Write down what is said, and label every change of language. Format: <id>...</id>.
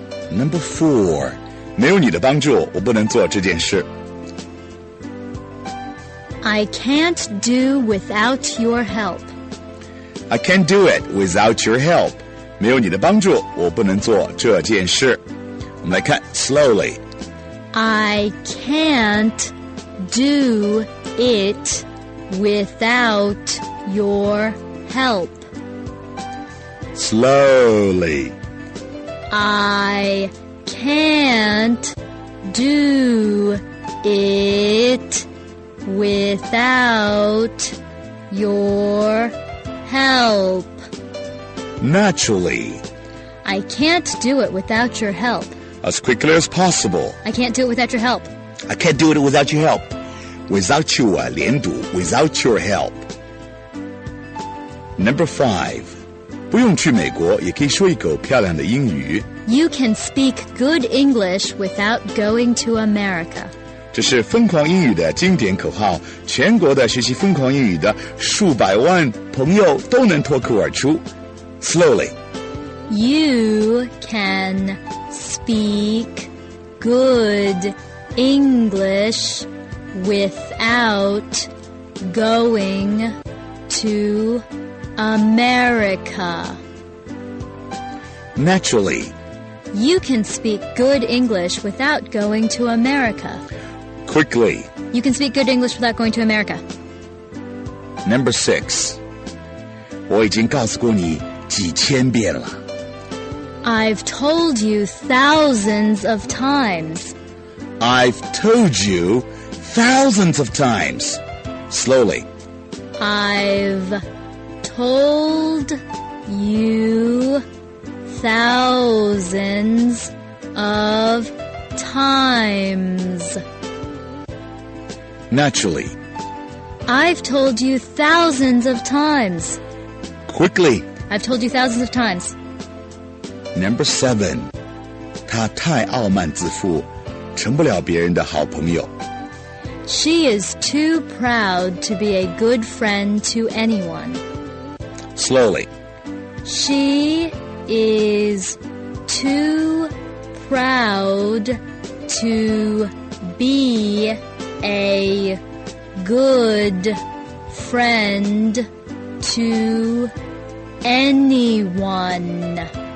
<en>Number four.</en> <zh>没有你的帮助，我不能做这件事。</zh> <en>I can't do without your help. I can't do it without your help.</en> <zh>没有你的帮助，我不能做这件事。我们来看</zh> <en>slowly. I can't do it without your help. Slowly. I can't do it without your help. Naturally. I can't do it without your help. As quickly as possible. I can't do it without your help. I can't do it without your help. Without you,</en> <zh>连读</zh> <en>without your help. Number five.</en> <zh>不用去美国也可以说一口漂亮的英语。</zh> <en>You can speak good English without going to America.</en> <zh>这是疯狂英语的经典口号，全国的学习疯狂英语的数百万朋友都能脱口而出。</zh> <en>Slowly. You can speak good English without going to America. Naturally. You can speak good English without going to America. Quickly. You can speak good English without going to America. Number six.</en> <zh>我已经告诉过你几千遍了。</zh> <en>I've told you thousands of times. I've told you thousands of times. Slowly. I've told you thousands of times. Naturally. I've told you thousands of times. Quickly. I've told you thousands of times. Number seven.</en> <zh>她太傲慢自负，成不了别人的好朋友。</zh> <en>She is too proud to be a good friend to anyone. Slowly. She is too proud to be a good friend to anyone.</en>